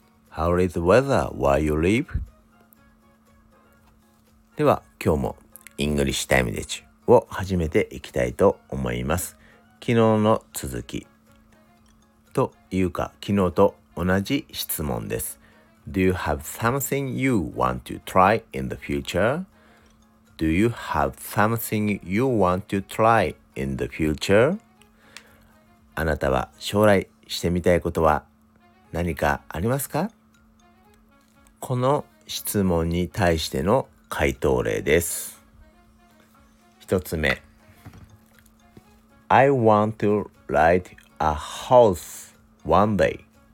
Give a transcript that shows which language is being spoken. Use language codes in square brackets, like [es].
[en] How is the weather where you live? [ja] では、今日もイングリッシュタイムデッチを始めていきたいと思います。昨日の続きというか、昨日と同じ質問です。 [en] Do you have something you want to try in the future? Do you have something you want to try in the future? [ja] あなたは将来してみたいことは何かありますか？この質問に対しての回答例です。一つ目、 [en] I want to ride a horse one day.